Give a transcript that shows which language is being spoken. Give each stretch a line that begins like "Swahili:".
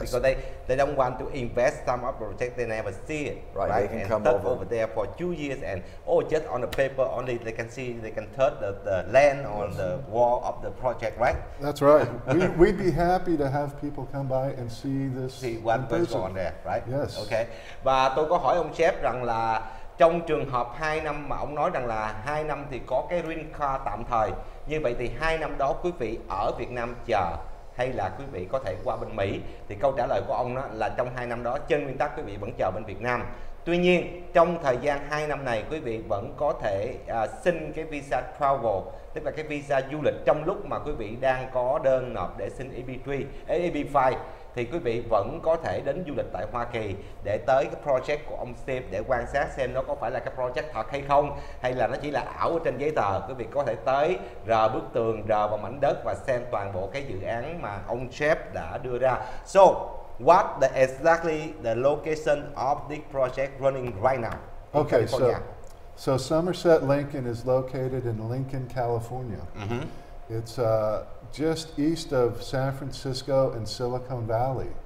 English: because they don't want to invest some of the project, they never see it. Right, they can and come stuck over there for 2 years and just on the paper only they can see, they can touch the land on the wall of the project, right? That's right. We'd be happy to have people come by and see this. See one person on there, right? Yes. Okay.
Vietnamese: Và tôi có hỏi ông chef rằng là trong trường hợp 2 năm mà ông nói rằng là 2 năm thì có cái green card tạm thời, như vậy thì 2 năm đó quý vị ở Việt Nam chờ hay là quý vị có thể qua bên Mỹ? Thì câu trả lời của ông đó là trong 2 năm đó trên nguyên tắc quý vị vẫn chờ bên Việt Nam. Tuy nhiên trong thời gian 2 năm này quý vị vẫn có thể xin cái visa travel, tức là cái visa du lịch, trong lúc mà quý vị đang có đơn nộp để xin EB5 thì quý vị vẫn có thể đến du lịch tại Hoa Kỳ để tới cái project của ông Steve để quan sát xem nó có phải là cái project thật hay không, hay là nó chỉ là ảo trên giấy tờ. Quý vị có thể tới rờ bức tường, rờ vào mảnh đất và xem toàn bộ cái dự án mà ông Chef đã đưa ra.
English: So, what the exactly the location of this project running right now? Okay, so Somerset Lincoln is located in Lincoln, California. Mm-hmm. It's just east of San Francisco and Silicon Valley.